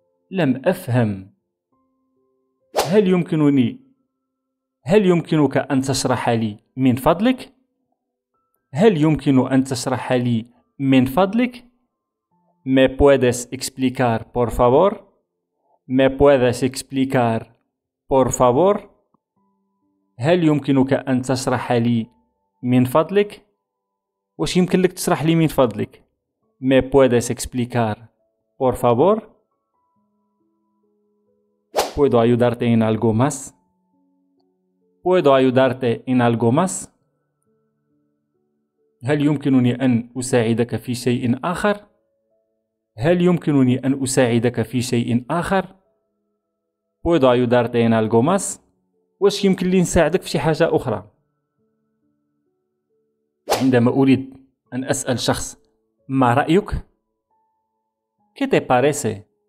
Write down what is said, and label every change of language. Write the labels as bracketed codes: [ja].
[ar] لم أفهم. هل يمكنني؟ هل يمكنك أن تشرح لي من فضلك؟ هل يمكن أن تشرح لي من فضلك؟ [es] Me puedes explicar, por favor? Me puedes explicar, por favor? [ar] هل يمكنك أن تشرح لي من فضلك؟ واش يمكن لك تشرح لي من فضلك؟ [es] Me puedes explicar, por favor? Puedo ayudarte en algo más? Puedo ayudarte en algo más? [ar] هل يمكنني أن أساعدك في شيء آخر؟ هل يمكنني أن أساعدك في شيء آخر؟ [es] Puedo ayudarte en algo más? [ar] واش يمكن لي نساعدك في شي حاجة أخرى؟ عندما أريد أن أسأل شخص ما رأيك؟ [es] ¿Qué te parece?